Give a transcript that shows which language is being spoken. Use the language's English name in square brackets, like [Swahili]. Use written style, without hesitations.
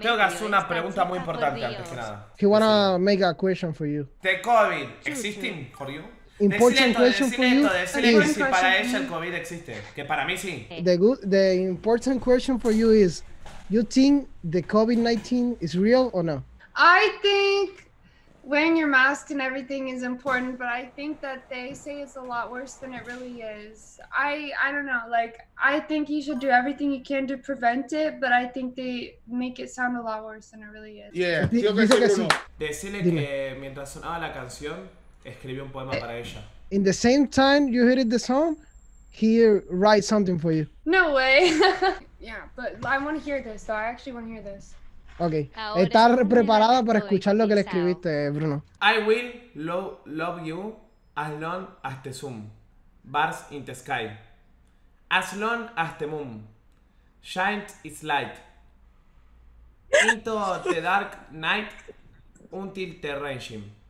[Spanish] Tengo que hacer una pregunta muy importante antes que nada. [English] He wanna make a question for you. The COVID existing for you? Important question for you? [Spanish] Decirle si para ella el COVID existe, que para mí sí. [English] The important question for you is, you think the COVID-19 is real or no? I think wearing your mask and everything is important, but I think that they say it's a lot worse than it really is. I don't know, like, I think you should do everything you can to prevent it, but I think they make it sound a lot worse than it really is. [Spanish] Yeah, yo que sí. Decirle que mientras sonaba la canción, escribió un poema para ella. [English] In the same time you heard the song, he write something for you. No way. Yeah, but I want to hear this, though. I actually want to hear this. Okay. [Spanish] Estás preparada para escuchar lo que le escribiste, Bruno. [English] I will love you as long as the sun bars in the sky. As long as the moon shines its light. Into the dark night until the rain.